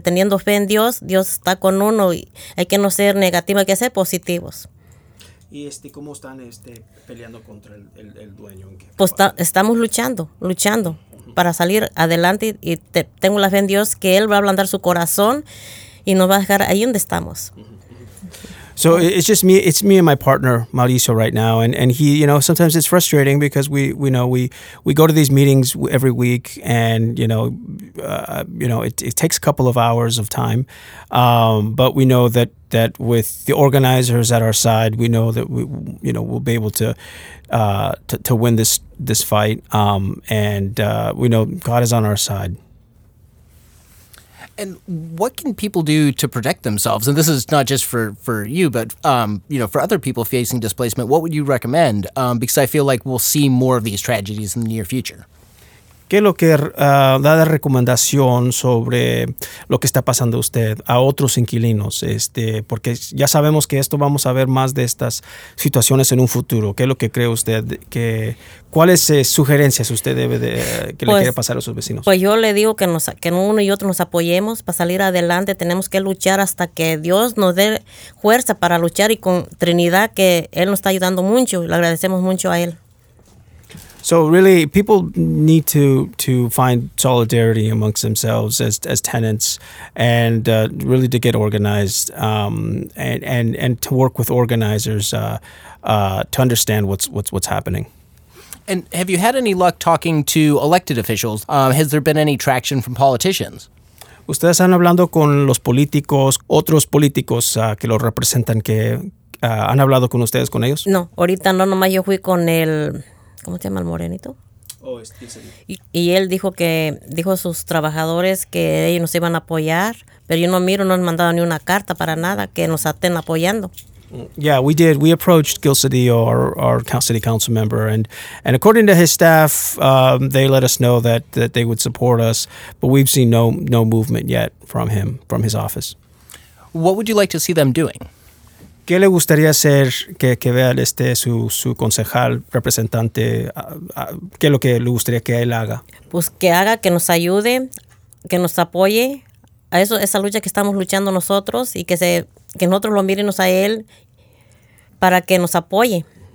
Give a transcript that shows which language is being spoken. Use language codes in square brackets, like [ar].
[es] Teniendo fe en Dios, Dios está con uno y hay que no ser negativo, hay que ser positivos. ¿Y cómo están peleando contra el dueño? Pues estamos luchando para salir adelante y tengo la fe en Dios que él va a ablandar su corazón y nos va a dejar ahí donde estamos. [en] So it's just me. It's me and my partner Mauricio right now, and he, you know, sometimes it's frustrating because we go to these meetings every week, and it takes a couple of hours of time, but we know that with the organizers at our side, we know that we'll be able to win this fight, we know God is on our side. And what can people do to protect themselves? And this is not just for you, but for other people facing displacement, what would you recommend? Because I feel like we'll see more of these tragedies in the near future. [es] ¿Qué lo que da la recomendación sobre lo que está pasando usted a otros inquilinos? Porque ya sabemos que esto vamos a ver más de estas situaciones en un futuro. ¿Qué es lo que cree usted? ¿Cuáles sugerencias usted debe le quiere pasar a sus vecinos? Pues yo le digo que uno y otro nos apoyemos para salir adelante. Tenemos que luchar hasta que Dios nos dé fuerza para luchar y con Trinidad, que Él nos está ayudando mucho. Le agradecemos mucho a Él. [en] So really, people need to find solidarity amongst themselves as tenants, and really to get organized and to work with organizers to understand what's happening. And have you had any luck talking to elected officials? Has there been any traction from politicians? [es] Ustedes han hablado con los políticos, otros políticos que los representan, que han hablado con ustedes, con ellos? No, ahorita no, nomás yo fui con el... ¿Cómo se llama el morenito? Oh, y él dijo a sus trabajadores que ellos nos iban a apoyar, pero yo no han mandado ni una carta para nada que nos estén apoyando. [en] Yeah, we did. We approached Gil Cedillo, our city council member, and according to his staff, they let us know that they would support us, but we've seen no movement yet from him, from his office. What would you like to see them doing? [es] ¿Qué le gustaría hacer que vea su concejal representante? ¿Qué es lo que le gustaría que él haga? Pues que haga, que nos ayude, que nos apoye a eso, esa lucha que estamos luchando nosotros, y que nosotros lo miremos a él para que nos apoye.